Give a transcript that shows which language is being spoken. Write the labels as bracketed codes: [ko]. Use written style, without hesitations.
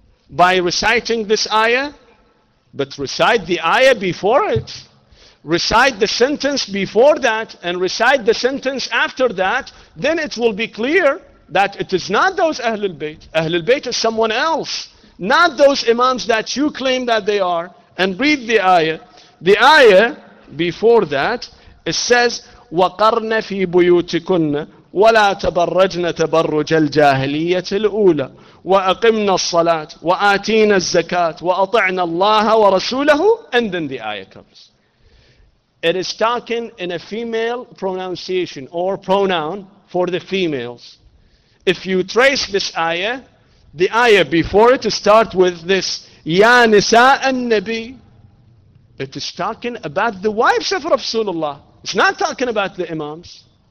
[en] By reciting this ayah? But recite the ayah before it. Recite the sentence before that and recite the sentence after that. Then it will be clear that it is not those Ahlul Bayt. Ahlul Bayt is someone else. Not those imams that you claim that they are. And read the ayah. The ayah before that, it says, [ar] وَقَرْنَ فِي بُيُوتِكُنَّ وَلَا تَبَرَّجْنَ تَبَرُّجَ الْجَاهِلِيَّةِ الْأُولَى وَأَقِمْنَا الصَّلَاةِ وَآتِينَ الزَّكَاةِ وَأَطِعْنَ اللَّهَ وَرَسُولَهُ. [en] And then the ayah comes. It is talking in a female pronunciation or pronoun for the females. If you trace this ayah, the ayah before it starts with this, [ar] يَا نِسَاءَ النَّبِي. [en] It is talking about the wives of Rasulullah. It's not talking about the imams.